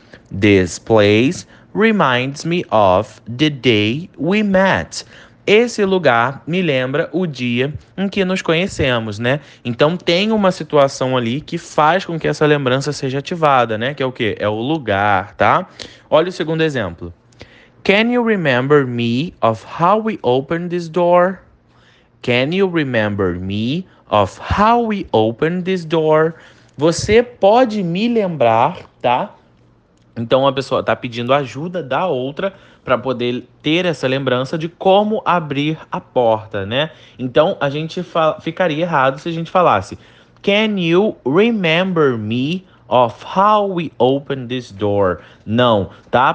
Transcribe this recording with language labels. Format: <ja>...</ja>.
<en>This place reminds me of the day we met.</en> <pt>Esse lugar me lembra o dia em que nos conhecemos, né? Então tem uma situação ali que faz com que essa lembrança seja ativada, né? Que é o quê? É o lugar, tá? Olha o segundo exemplo.</pt> <en>Can you remember me of how we opened this door? Can you remember me of how we opened this door?</en> <pt>Você pode me lembrar, tá? Então a pessoa está pedindo ajuda da outra para poder ter essa lembrança de como abrir a porta, né? Então a gente ficaria errado se a gente falasse:</pt> <en>Can you remember me of how we open this door?</en> <pt>Não, tá?</pt>